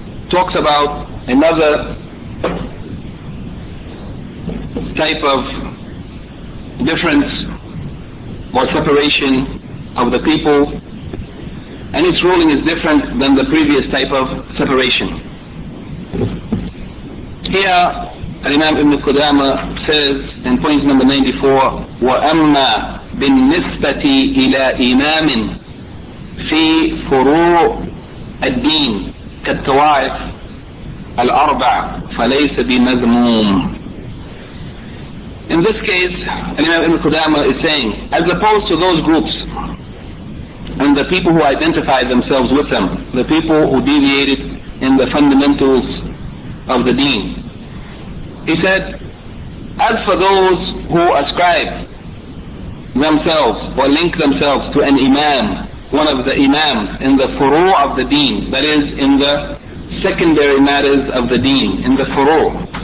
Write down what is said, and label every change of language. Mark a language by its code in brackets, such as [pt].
[en] talks about another type of difference or separation of the people, and its ruling is different than the previous type of separation. Here, Imam Ibn Qudama says in point number 94, [ar] وَأَمَّا بِالنِّسْبَةِ إِلَىٰ إِمَامٍ فِي فُرُوعِ الدِّينِ كَالتَّوَائِفِ الْأَرْبَعِ فَلَيْسَ بِمَذْمُومٍ. [en] In this case, Imam Ibn Qudama is saying, as opposed to those groups and the people who identify themselves with them, the people who deviated in the fundamentals of the deen, he said, as for those who ascribe themselves or link themselves to an imam, one of the imams in the furu of the deen, that is in the secondary matters of the deen, in the furu,